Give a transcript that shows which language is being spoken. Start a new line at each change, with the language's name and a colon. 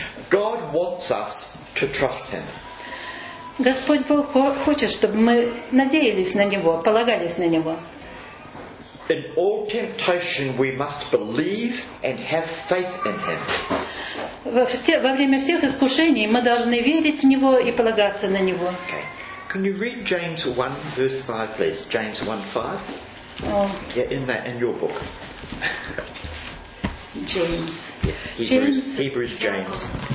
English: God wants us to trust Him.
Russian: Господь Бог хочет, чтобы мы надеялись на Него, полагались на Него.
English: In all temptation, we must believe and have faith in Him.
Russian: Во время всех искушений мы должны верить в Него и полагаться на Него.
English: Okay. Can you read James 1, verse 5, please? James 1, 5? Oh. Yeah, in that, in your book. James. Yeah, Hebrews, James. Hebrews James.